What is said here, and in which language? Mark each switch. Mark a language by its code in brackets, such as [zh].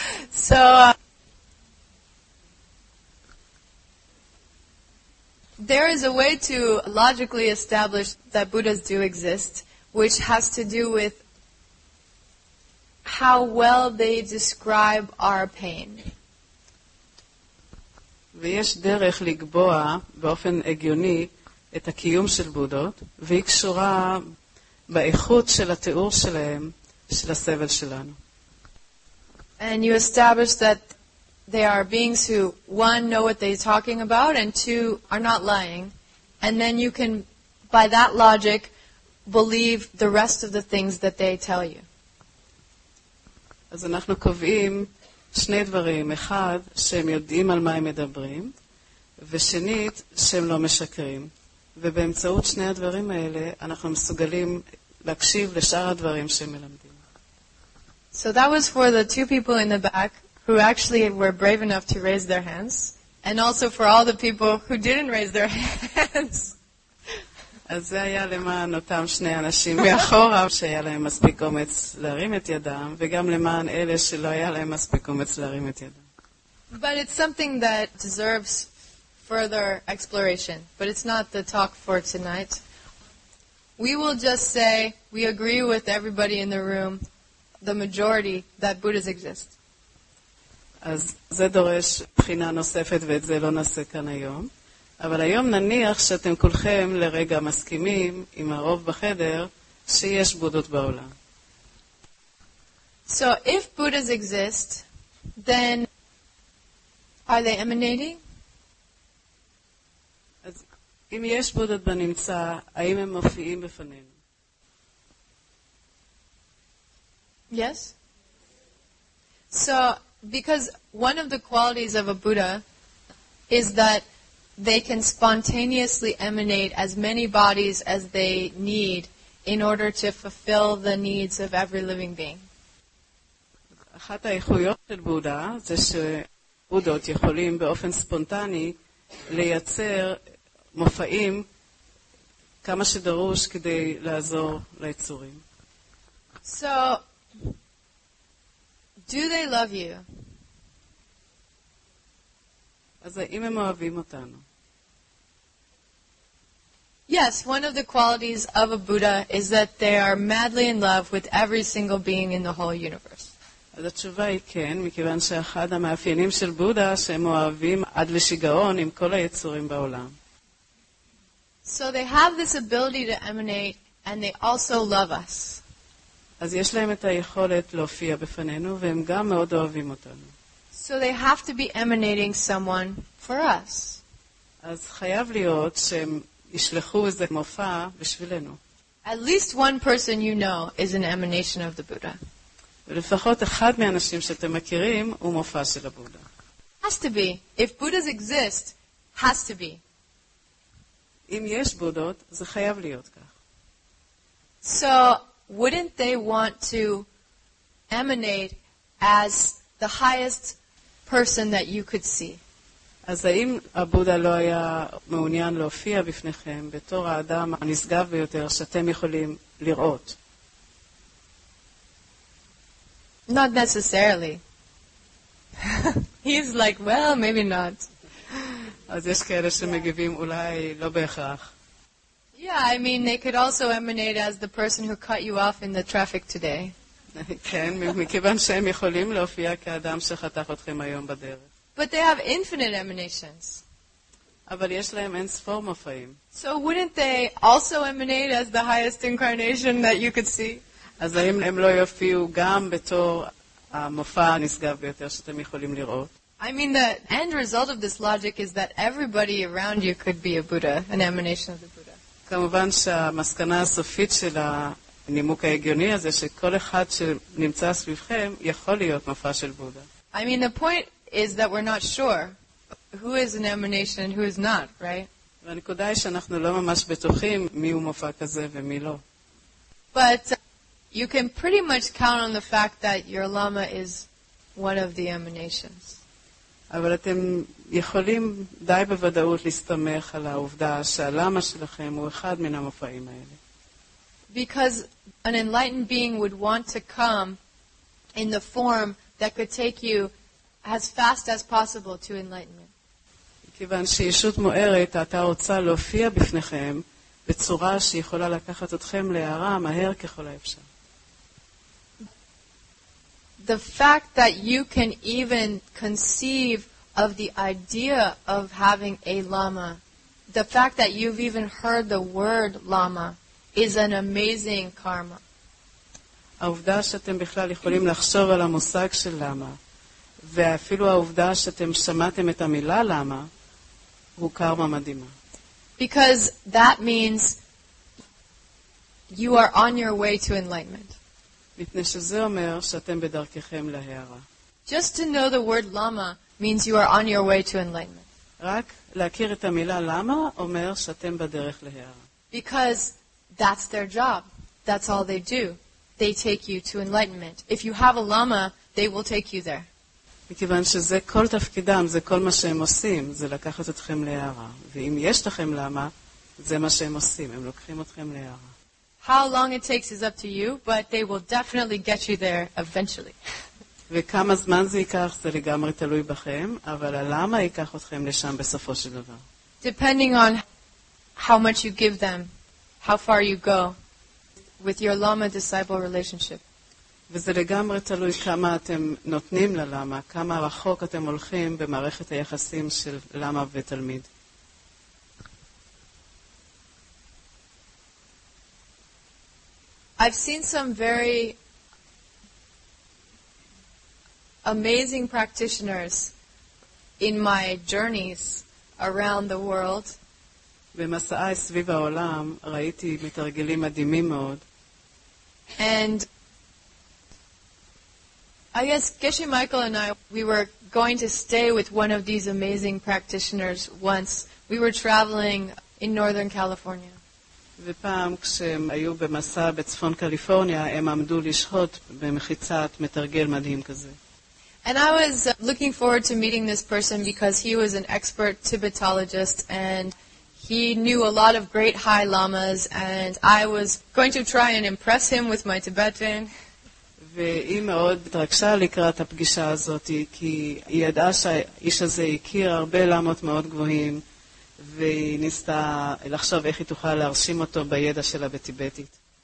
[en] So, there is a way to logically establish that Buddhas do exist, which has to do with how well they describe our pain. [he] ויש דרך לקבוע באופן הגיוני את הקיום של בודות, והיא קשורה באיכות של התיאור שלהם של הסבל שלנו. [en] And you establish that they are beings who one know what they're talking about and two are not lying, and then you can by that logic believe the rest of the things that they tell you. [he] אז אנחנו קובעים שני דברים, אחד שהם יודעים על מה הם מדברים ושנית שהם לא משקרים, ובאמצעות שני הדברים האלה אנחנו מסוגלים להקשיב לשאר הדברים שהם מלמדים. [en] So that was for the two people in the back who actually were brave enough to raise their hands, and also for all the people who didn't raise their hands. [he] אז זה היה למען אותם שני אנשים מאחורה שהיה להם מספיק אומץ להרים את ידם, וגם למען אלה שלא היה להם מספיק אומץ להרים את ידם. [en] But it's something that deserves further exploration, but it's not the talk for tonight. We will just say we agree with everybody in the room, the majority, that Buddhas exist. [he] אז זה דורש בחינה נוספת, ואת זה לא נעשה כאן היום. אבל היום נניח שאתם כולכם לרגע מסכימים עם הרוב בחדר שיש בודות בעולם. [en] So if Buddhas exist, then are they emanating? [he] אז אם יש בודות בנמצא, האם הם מופיעים בפנינו? [en] Yes. So because one of the qualities of a Buddha is that they can spontaneously emanate as many bodies as they need in order to fulfill the needs of every living being. [he] אחת האיכויות של בודה זה שבודות יכולים באופן ספונטני לייצר מופעים כמה שדרוש כדי לעזור ליצורים. [en] So, do they love you? [he] אז האם הם אוהבים אותנו? [en] Yes, one of the qualities of a Buddha is that they are madly in love with every single being in the whole universe. [he] אז התשובה היא כן, מכיוון שאחד המאפיינים של בודה שהם אוהבים עד לשיגעון עם כל היצורים בעולם. [en] So they have this ability to emanate and they also love us. [he] אז יש להם את היכולת להופיע בפנינו והם גם מאוד אוהבים אותנו. [en] So they have to be emanating someone for us. [he] אז חייב להיות שהם ישלחו איזה מופע בשבילנו. [en] At least one person you know is an emanation of the Buddha. [he] ולפחות אחד מהאנשים שאתם מכירים הוא מופע של הבודה. [en] Has to be. If Buddhas exist, has to be. [he] אם יש בודות, זה חייב להיות כך. [en] So, wouldn't they want to emanate as the highest person that you could see? [he] אז האם הבודה לא היה מעוניין להופיע בפניכם בתור האדם הנשגב ביותר שאתם יכולים לראות? [en] Not necessarily. He's like, well, maybe not. [he] אז יש כאלה שמגיבים אולי לא בהכרח. [en] Yeah, I mean, they could also emanate as the person who cut you off in the traffic today. [he] כן, מכיוון שהם יכולים להופיע כאדם שחתך אתכם היום בדרך. [en] But they have infinite emanations. [he] אבל יש להם אין ספור מופעים. [en] So wouldn't they also emanate as the highest incarnation that you could see? [he] אז האם הם לא יופיעו גם בתור המופע הנשגב ביותר שאתם יכולים לראות? [en] I mean, the end result of this logic is that everybody around you could be a Buddha, an emanation of the Buddha. [he] כמובן שהמסקנה הסופית של הנימוק ההגיוני הזה שכל אחד שנמצא סביבכם יכול להיות מופע של בודה. [en] I mean, the point is that we're not sure who is an emanation and who is not, right? [he] והנקודה היא שאנחנו לא ממש בטוחים מי הוא מופע כזה ומי לא. [en] But you can pretty much count on the fact that your lama is one of the emanations. [he] אבל אתם יכולים די בוודאות להסתמך על העובדה שהלמה שלכם הוא אחד מן המופעים האלה. [en] Because an enlightened being would want to come in the form that could take you as fast as possible to enlightenment. [he] כיוון שישות מוארת, אתה רוצה להופיע בפניכם בצורה שיכולה לקחת אתכם להארה מהר ככל האפשר. [en] The fact that you can even conceive of the idea of having a lama, the fact that you've even heard the word lama, is an amazing karma. [he] העובדה שאתם בכלל יכולים לחשוב על המושג של לאמה, ואפילו העובדה שאתם שמעתם את המילה לאמה, הוא קרמה מדהימה. [en] Because that means you are on your way to enlightenment. [he] מפני שזה אומר שאתם בדרככם להארה. [en] Just to know the word lama means you are on your way to enlightenment. [he] רק להכיר את המילה lama אומר שאתם בדרך להארה. [en] Because that's their job. That's all they do. They take you to enlightenment. If you have a lama, they will take you there. [he] מכיוון שזה כל תפקידם, זה כל מה שהם עושים, זה לקחת אתכם להארה. ואם יש לכם lama, זה מה שהם עושים, הם לוקחים אתכם להארה. [en] How long it takes is up to you, but they will definitely get you there eventually. [he] וכמה זמן זה ייקח, זה לגמרי תלוי בכם, אבל הלמה ייקח אתכם לשם בסופו של דבר. [en] Depending on how much you give them, how far you go with your lama disciple relationship. [he] וזה לגמרי תלוי כמה אתם נותנים ללמה, כמה רחוק אתם הולכים במערכת היחסים של למה ותלמיד. [en] I've seen some very amazing practitioners in my journeys around the world. [he] במסעיי סביב העולם ראיתי מתרגלים מדהימים מאוד. [en] And I guess Geshe Michael and I, we were going to stay with one of these amazing practitioners once. We were traveling in Northern California. [he] ופעם כשהם היו במסע בצפון קליפורניה הם עמדו לשהות במחיצת מתרגל מדהים כזה. [en] And I was looking forward to meeting this person because he was an expert Tibetologist and he knew a lot of great high lamas and I was going to try and impress him with my Tibetan. [he] והיא מאוד התרגשה לקראת הפגישה הזאת כי היא ידעה שהאיש הזה הכיר הרבה למות מאוד גבוהים. וניסתה לחשוב איך היא תוכל להרשים אותו בידע שלה בטיבטית.